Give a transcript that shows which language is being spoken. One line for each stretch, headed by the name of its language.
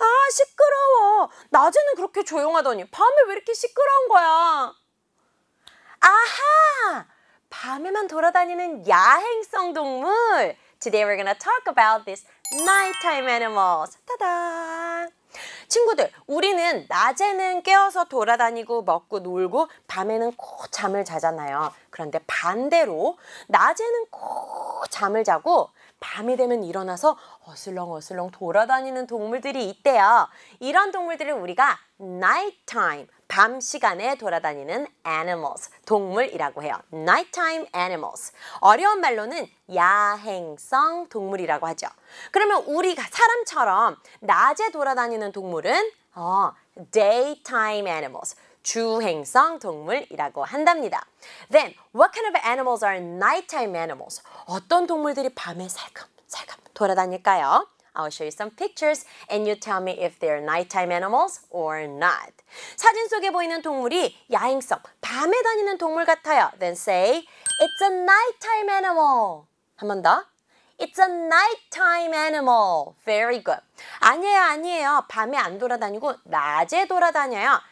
Korean: 시끄러워. 낮에는 그렇게 조용하더니 밤에 왜 이렇게 시끄러운 거야? 아하! 밤에만 돌아다니는 야행성 동물!
English: Today we're gonna talk about this nighttime animals. 따다!
Korean: 친구들, 우리는 낮에는 깨어서 돌아다니고 먹고 놀고 밤에는 콕 잠을 자잖아요. 그런데 반대로 낮에는 콕 잠을 자고 밤이 되면 일어나서 어슬렁어슬렁 돌아다니는 동물들이 있대요. 이런 동물들을 우리가 nighttime, 밤 시간에 돌아다니는 animals, 동물이라고 해요.
English: Nighttime animals.
Korean: 어려운 말로는 야행성 동물이라고 하죠. 그러면 우리가 사람처럼 낮에 돌아다니는 동물은 daytime animals, 주행성 동물이라고 한답니다.
English: Then, what kind of animals are nighttime animals?
Korean: 어떤 동물들이 밤에 살금살금 돌아다닐까요?
English: I'll show you some pictures and you tell me if they're nighttime animals or not.
Korean: 사진 속에 보이는 동물이 야행성, 밤에 다니는 동물 같아요.
English: Then say, it's a nighttime animal.
Korean: 한 번 더.
English: It's a nighttime animal. Very good.
Korean: 아니에요, 아니에요. 밤에 안 돌아다니고 낮에 돌아다녀요.